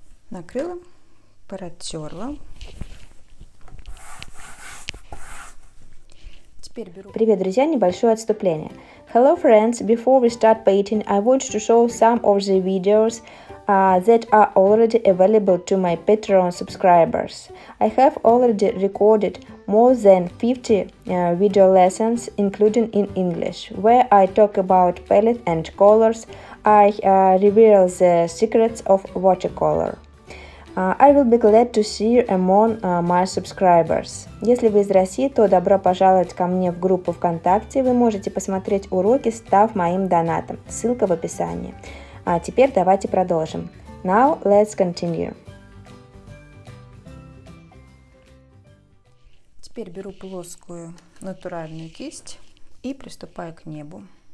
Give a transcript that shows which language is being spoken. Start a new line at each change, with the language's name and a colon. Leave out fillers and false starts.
Russian: Накрыла, протерла. Привет, друзья, небольшое отступление.
English: Hello, friends. Before we start painting, I want to show some of the videos that are already available to my Patreon subscribers. I have already recorded more than 50 video lessons, including in English, where I talk about palette and colors. I reveal the secrets of watercolor. I will be glad to see you among my subscribers.
Russian: Если вы из России, то добро пожаловать ко мне в группу ВКонтакте. Вы можете посмотреть уроки, став моим донатом. Ссылка в описании. А теперь давайте продолжим.
English: Now let's continue.
Russian: Теперь беру плоскую натуральную кисть и приступаю к небу.